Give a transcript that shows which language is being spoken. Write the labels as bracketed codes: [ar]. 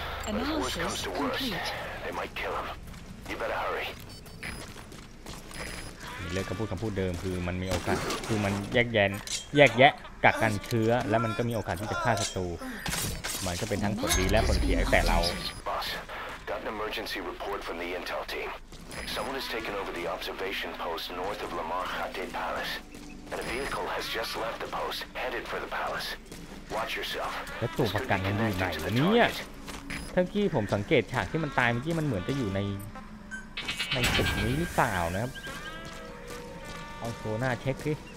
[en] But if worse comes to worst, they might kill him. You better hurry. [th] มิลเลอร์ก็พูดคำพูดเดิมคือมันมีโอกาสคือมันแยกแยะกักกันเชื้อและมันก็มีโอกาสที่จะฆ่าศัตรูมันก็เป็นทั้งผลดีและผลเสียแต่เรา [en] Boss, got an emergency report from the intel team. Someone has taken over the observation post north of Lamar Hatte Palace, and a vehicle has just left the post headed for the palace. Watch yourself. [th] แล้วตัวประกันมันอยู่ไหนเนี่ยทั้งที่ผมสังเกตฉากที่มันตายเมื่อกี้มันเหมือนจะอยู่ในตึกนี้หรือเปล่านะครับเอาโซน่าเช็คสิ